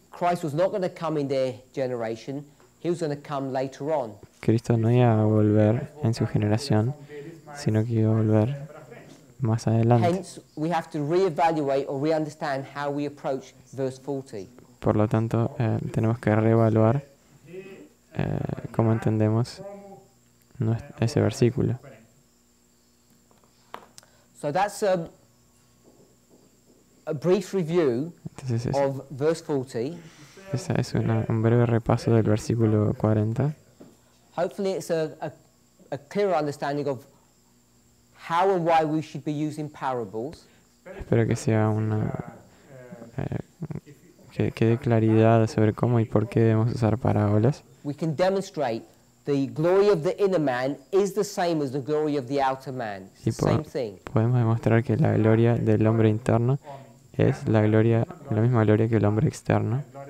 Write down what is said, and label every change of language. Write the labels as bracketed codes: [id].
[en] Christ was not going to come in their generation. He was going to come later on. [es] Cristo no iba a volver en su generación, sino que iba a volver más adelante. [en] Hence, we have to reevaluate or re-understand how we approach verse 40. [es] Por lo tanto, tenemos que reevaluar cómo entendemos ese versículo. [en] So that's a brief review of verse 40. [es] Esa es un breve repaso del versículo 40. [en] Hopefully it's a clearer understanding of how and why we should be using parables. [es] Espero que sea una que dé claridad sobre cómo y por qué debemos usar parábolas. [en] We can demonstrate the glory of the inner man is the same as the glory of the outer man. Same thing. [es] Podemos demostrar que la gloria del hombre interno es la misma gloria que el hombre externo.